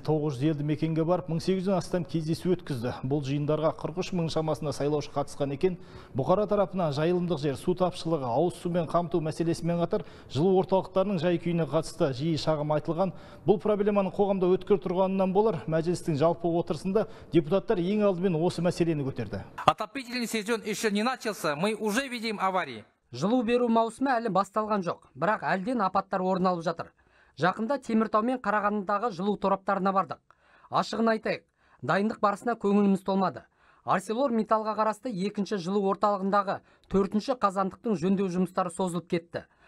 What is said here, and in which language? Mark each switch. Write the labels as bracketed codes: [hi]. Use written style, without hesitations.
[kk] 900 елді мекенге барып 1800-ден астам кездесу өткізді. Бұл жиындарға 43 мың шамасында сайлаушы қатысқан екен. Бұқара тарапынан жайылымдық жер, су тапшылығы, ауыз сумен қамту мәселесімен қатар жылу орталықтарының жай-күйіне қатысты жиі шағым айтылған. Бұл проблеманың қоғамда өткір тұрғанынан болар, мәжілістің жалпы отырысында депутаттар ең алдымен осы мәселені көтерді. [ru] Отопительный сезон еще не начался, мы уже видим аварии. [kk] Жылу беру маусымы әлі басталған жоқ, бірақ әлден апаттар орын алып жатыр. Жақында Теміртау мен Қарағандыдағы жылу тораптарына бардық. Ашығын айтайық, дайындық барысына көңіліміз толмады. Арселор металға қарасты екінші жылу орталығындағы төртінші қазандықтың жөндеу жұмыстары созылып кетті.